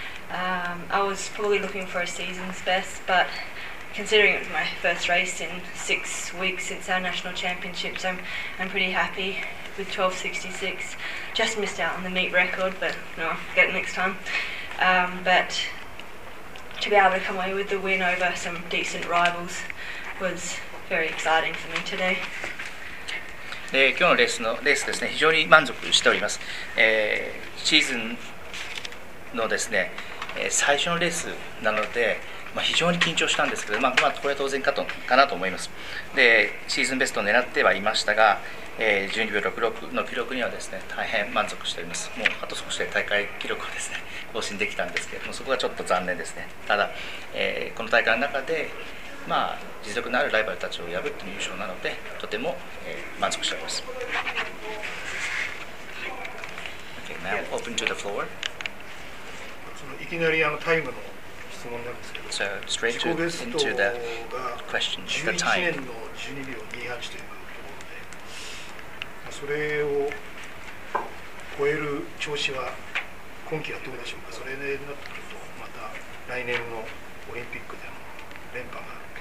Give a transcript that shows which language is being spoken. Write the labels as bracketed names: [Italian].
[English] I was fully looking for a season's best, but considering it was my first race in 6 weeks since our national championships, I'm pretty happy with 12.66. Just missed out on the meet record, but no, I'll get it next time. But to be able to come away with the win over some decent rivals was very exciting for me today. [Japanese] で今日のレースですね、非常に満足しております。シーズンのですね、最初のレースなので、まあ、非常に緊張したんですけど、まあまあ、これは当然かなと思います。で、シーズンベストを狙ってはいましたが、12秒66の記録にはですね、大変満足しております。もうあと少しで大会記録をですね、更新できたんですけども、そこがちょっと残念ですね。ただ、この大会の中で、まあ、実力のあるライバルたちを破っての優勝なので、とても、満足しております。 [English] Okay, now open to the floor. [Japanese] いきなりタイムの質問なんですけど、 [English] So straight to, into the question, the time. [Japanese] 11年の12秒28というところで、まあ、それを超える調子は今季はどうでしょうか。それになってくると、また来年のオリンピックでも連覇が